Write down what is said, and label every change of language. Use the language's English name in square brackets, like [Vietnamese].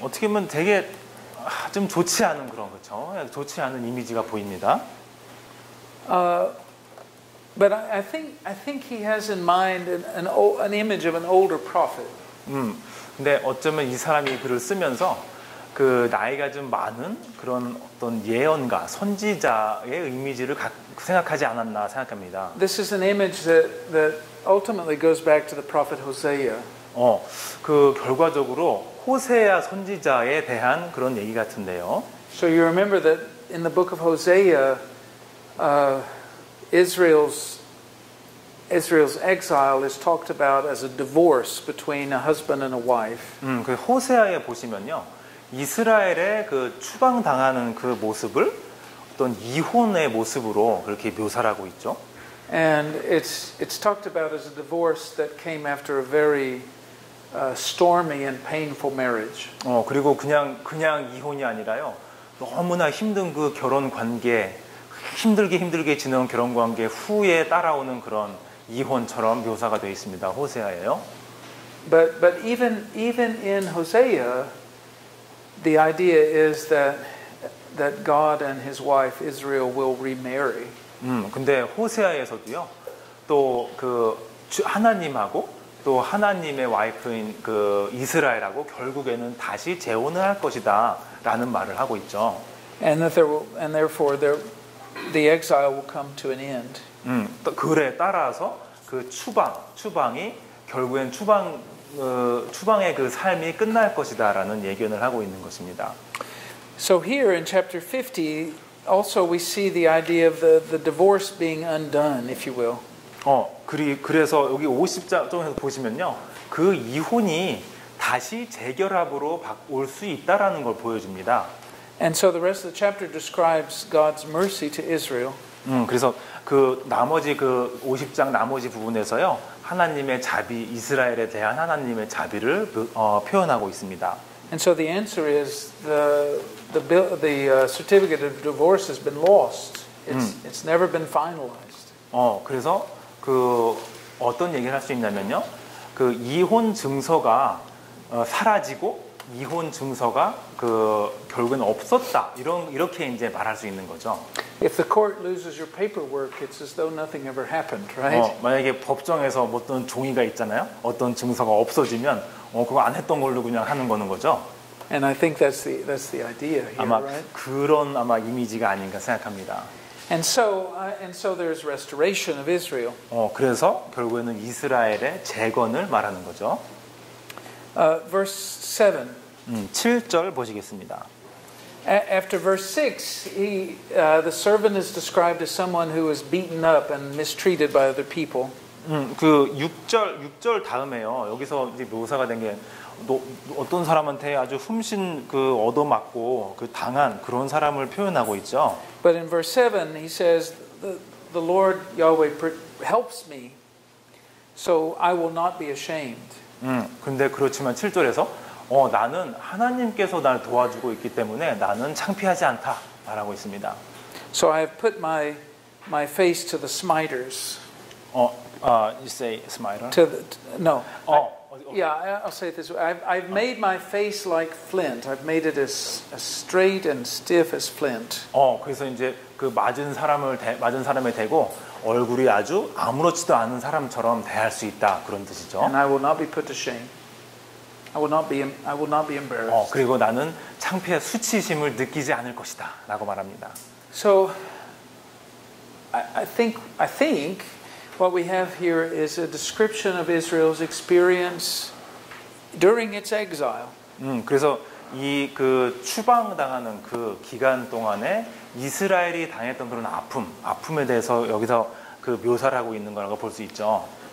[Korean] 어떻게 보면 되게 좀 좋지 않은 그런 그렇죠? 좋지 않은 이미지가 보입니다. [English] But I think he has in mind an image of an older prophet. [Korean] 근데 어쩌면 이 사람이 글을 쓰면서 그 나이가 좀 많은 그런 어떤 예언가, 선지자의 이미지를 생각하지 않았나 생각합니다. [English] This is an image that ultimately goes back to the prophet Hosea. [Korean] 그 결과적으로 호세아 선지자에 대한 그런 얘기 같은데요. [English] So you remember that in the book of Hosea, Israel's exile is talked about as a divorce between a husband and a wife. [Korean] 그 호세아에 보시면요, 이스라엘의 그 추방당하는 그 모습을 어떤 이혼의 모습으로 그렇게 묘사하고 있죠. [English] And it's talked about as a divorce that came after a very stormy and painful marriage. [Korean] 그리고 그냥 이혼이 아니라요, 너무나 힘든 그 결혼 관계, 힘들게 지내온 결혼 관계 후에 따라오는 그런 이혼처럼 묘사가 되어 있습니다. 호세아예요. [English] But even in Hosea, the idea is that God and His wife Israel will remarry. [Korean] 근데 호세아에서도요. 또 그 하나님하고 또 하나님의 와이프인 그 이스라엘하고 결국에는 다시 재혼을 할 것이다라는 말을 하고 있죠. [English] And therefore, the exile will come to an end. [Korean] 그래 따라서 그 추방이 결국엔 추방의 그 삶이 끝날 것이다라는 예견을 하고 있는 것입니다. [English] So here in chapter 50, also we see the idea of the divorce being undone, if you will. [Korean] 그래서 여기 50장에서 보시면요, 그 이혼이 다시 재결합으로 올 수 있다라는 걸 보여줍니다. [English] And so the rest of the chapter describes God's mercy to Israel. [Korean] 그래서 그 나머지 그 50장 나머지 부분에서요, 하나님의 자비, 이스라엘에 대한 하나님의 자비를 표현하고 있습니다. [English] And so the answer is the certificate of divorce has been lost. It's never been finalized. [Korean] 그래서 그 어떤 얘기를 할 수 있냐면요, 그 이혼 증서가 사라지고 이혼 증서가 그 결국은 없었다. 이렇게 이제 말할 수 있는 거죠. [English] If the court loses your paperwork, it's as though nothing ever happened, right? [Korean] 만약에 법정에서 어떤 종이가 있잖아요. 어떤 증서가 없어지면 그거 안 했던 걸로 그냥 하는 거는 거죠. [English] And I think that's the idea here, [Korean] 아마 [English] right? [Korean] 그런 아마 이미지가 아닌가 생각합니다. [English] And so there's restoration of Israel. [Korean] 그래서 결국에는 이스라엘의 재건을 말하는 거죠. [English] Verse 7. [Korean] 7절 보시겠습니다. [English] After verse 6, the servant is described as someone who was beaten up and mistreated by other people. [Korean] 그 6절 다음에요. 여기서 이제 묘사가 된 게 어떤 사람한테 아주 훔신 그 얻어맞고 그 당한 그런 사람을 표현하고 있죠. [English] But in verse 7, he says the Lord Yahweh helps me, so I will not be ashamed. [Korean] 근데 그렇지만 7절에서 나는 하나님께서 날 도와주고 있기 때문에 나는 창피하지 않다 말하고 있습니다. [English] So I have put my face to the smiters. You say smiter? I'll say it this way. I've made my face like flint. I've made it as straight and stiff as flint. [Korean] 그래서 이제 그 맞은 사람을 대고 얼굴이 아주 아무렇지도 않은 사람처럼 대할 수 있다 그런 뜻이죠. [English] And I will not be put to shame. I will not be embarrassed. [Korean] 그리고 나는 창피한 수치심을 느끼지 않을 것이다라고 말합니다. [English] So I think what we have here is a description of Israel's experience during its exile. [Korean] 그래서 이 그 추방당하는 그 기간 동안에 이스라엘이 당했던 그런 아픔에 대해서 여기서 그 묘사를 하고 있는 거라고 볼 수 있죠.